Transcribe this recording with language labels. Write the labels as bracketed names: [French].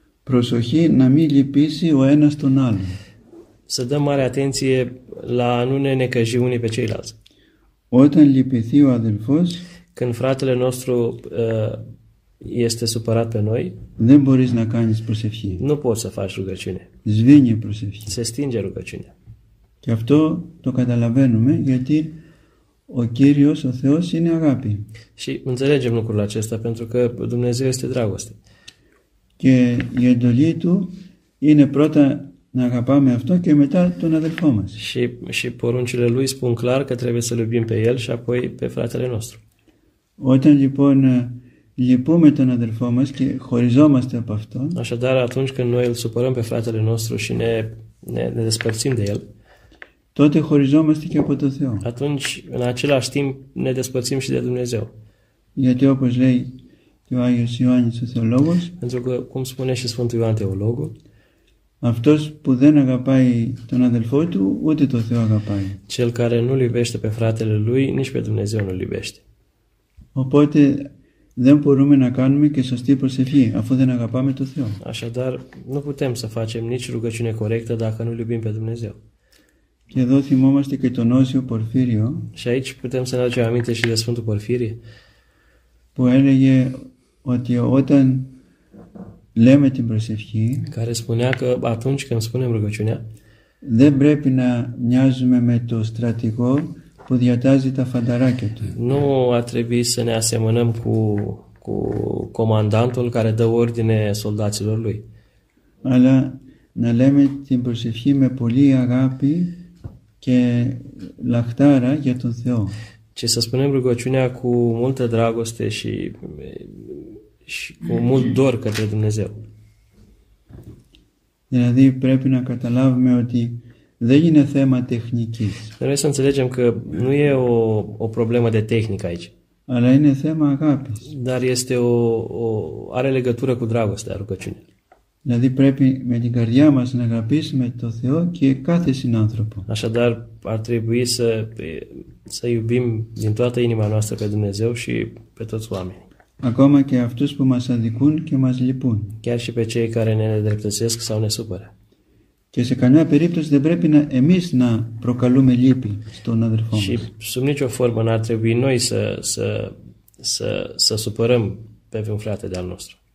[Greek] Προσοχή να μην λυπήσει ο ένας τον άλλον. [Romanian] Să dăm mare atenție la a nu ne necăji unii pe ceilalți. [Greek] Όταν λυπηθεί ο αδελφός, [Romanian] când fratele nostru este supărat pe noi, [Greek] δεν μπορείς να κάνεις προσευχή. [Romanian] Nu poți să faci rugăciune. [Greek] Σβήνει προσευχή. [Romanian] Se stinge rugăciunea. [Greek] Και αυτό το καταλαβαίνουμε γιατί ο Κύριος, ο Θεός, είναι αγάπη. [Romanian] Și înțelegem lucrul acesta pentru că Dumnezeu este dragoste. [Greek] Και η εντολή του είναι πρώτα να αγαπάμε αυτό και μετά τον αδελφό μας. [Romanian] Și poruncile lui spun clar că trebuie să-l iubim pe el și apoi pe fratele nostru. [Greek] Όταν λοιπόν λυπούμε τον αδελφό μας και χωριζόμαστε από αυτό. [Romanian] Așadar, atunci când noi îl supărăm pe fratele nostru și ne despărțim de el. [Greek] Τότε χωριζόμαστε και από το Θεό. [Romanian] Atunci, în același timp, ne despărțim și de Dumnezeu. [Greek] Γιατί όπως λέει και ο Άγιος Ιωάννης ο Θεολόγος. [Romanian] Pentru că, cum spune și Sfântul Ioan Teologul. [Greek] Αυτός που δεν αγαπάει τον αδελφό του, ούτε το Θεό αγαπάει. [Romanian] Cel care nu iubește pe fratele lui, nici pe Dumnezeu nu iubește. [Greek] Οπότε δεν μπορούμε να κάνουμε και σωστή προσευχή, αφού δεν αγαπάμε το Θεό. [Romanian] Așadar, nu putem să facem nici rugăciune corectă dacă nu iubim pe Dumnezeu. [Greek] Και εδώ θυμόμαστε και τον Όσιο Πορφύριο. [Romanian] Și aici putem să ne aducem aminte și de Sfântul Porfirie. [Greek] Που έλεγε ότι όταν λέμε την προσευχή, [Romanian] care spunea că atunci când spunem rugăciunea, [Greek] δεν πρέπει να μοιάζουμε με το στρατηγό που διατάζει τα φανταράκια του. [Romanian] Nu ar trebui să ne asemănăm cu comandantul care dă ordine soldaților lui. [Greek] Αλλά να λέμε την προσευχή με πολύ αγάπη και λαχτάρα για τον Θεό. [Romanian] Ce să spunem rugăciunea cu multă dragoste și, și cu mult dor către Dumnezeu. [Greek] Δηλαδή πρέπει να καταλάβουμε ότι δεν είναι θέμα τεχνικής. [Romanian] Trebuie să înțelegem că nu e o problemă de tehnică aici. [Greek] Αλλά είναι θέμα αγάπης. [Romanian] Dar este o are legătură cu dragostea rugăciunii. [Greek] Δηλαδή πρέπει με την καρδιά μας να αγαπήσουμε το Θεό και κάθε συνάνθρωπο. [Romanian] Așadar, ar trebui să iubim din toată inima noastră pe Dumnezeu și pe toți oamenii. [Greek] Ακόμα και αυτούς που μας αδικούν και μας λυπούν. [Romanian] Chiar și pe cei care ne nedreptățesc sau ne supără. [Greek] Και σε καμιά περίπτωση δεν πρέπει να εμείς να προκαλούμε λύπη στον αδερφό μας. [Romanian] Și sub nicio formă n-ar trebui noi să supărăm pe un frate de-al nostru.